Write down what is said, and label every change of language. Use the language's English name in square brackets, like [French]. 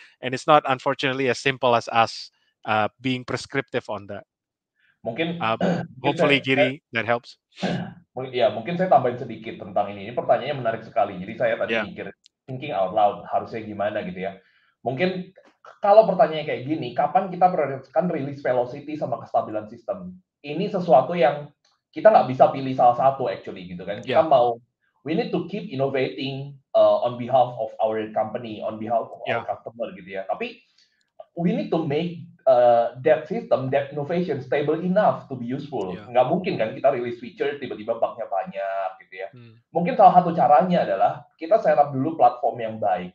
[English] And it's not unfortunately as simple as us being prescriptive on that. [Indonesian] Mungkin [English] hopefully Giri that helps. [Indonesian] Ya, mungkin saya tambahin sedikit tentang ini pertanyaannya menarik sekali. Jadi saya tadi mikir, [English] thinking out loud, [Indonesian] harusnya gimana gitu ya. Mungkin kalau pertanyaannya kayak gini, kapan kita prioritaskan release velocity sama kestabilan sistem? Ini sesuatu yang kita nggak bisa pilih salah satu [English] actually [Indonesian] gitu kan. Kita mau, [English] we need to keep innovating on behalf of our company, on behalf of our customer [Indonesian] gitu ya. Tapi [English] we need to make that system, that innovation stable enough to be useful. [Indonesian] Nggak mungkin kan kita release feature tiba-tiba bug-nya banyak gitu ya. Mungkin salah satu caranya adalah kita set up dulu platform yang baik.